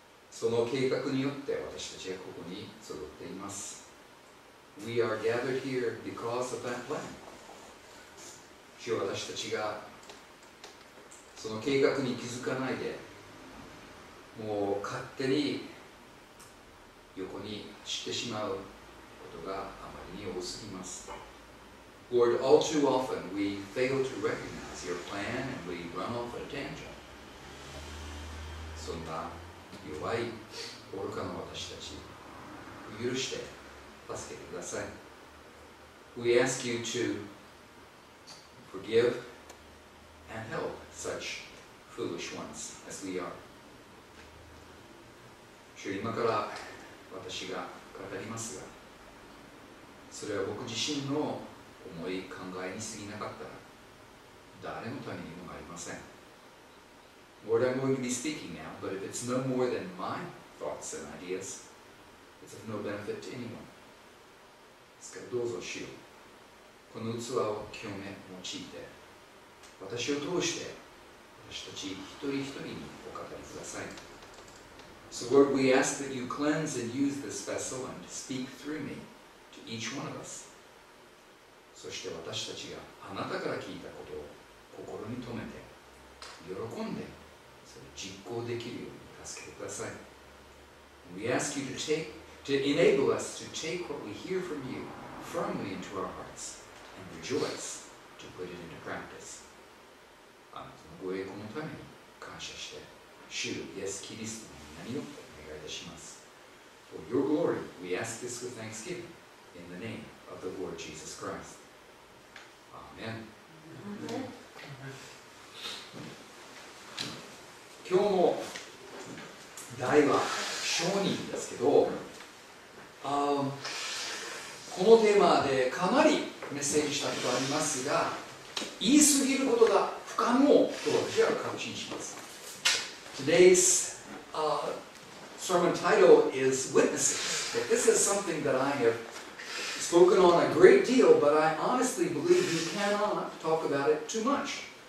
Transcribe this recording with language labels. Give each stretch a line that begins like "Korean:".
Japanese: その計画によって私たちはここに集っています。
English: We are gathered here because of that plan.
Japanese: 主よ、私たちがその計画に気づかないで、もう勝手に横に散ってしまうことがあまりに多すぎます。
English: Lord, all too often we fail to recognize your plan and we run off a tangent.
Japanese: そんな弱い愚かな私たち、許して助けてください。
English: We ask you to forgive and help such foolish ones as we are.
Japanese: 今から私が語りますが、それは僕自身の思い考えに過ぎなかったら、誰のためにもなりません。
English: Lord, I'm going to be speaking now, but if it's no more than my thoughts and ideas, it's of no benefit to anyone.
Japanese: ですから、どうぞ主よ、この器を清め用いて、私を通して私たち一人一人にお語りください。
English: So Lord, we ask that you cleanse and use this vessel and speak through me to each one of us.
Japanese: そして私たちがあなたから聞いたことを心に留めて、喜んで、それを実行できるように助けてください。
English: We ask you to enable us to take what we hear from you firmly into our hearts and rejoice to put it into practice.
Japanese: あなたのご栄光のために感謝して、主イエス・キリストによってお願いいたします。
English: For your glory, we ask this with thanksgiving in the name of the Lord Jesus Christ. Amen.
Japanese: 今日の題は商人ですけど、このテーマでかなりメッセージしたことありますが、言い過ぎることが不可能と私は確信します。
English: Today's sermon title is Witnesses. But this is something that I have spoken on a great deal, but I honestly believe you cannot talk about it too much.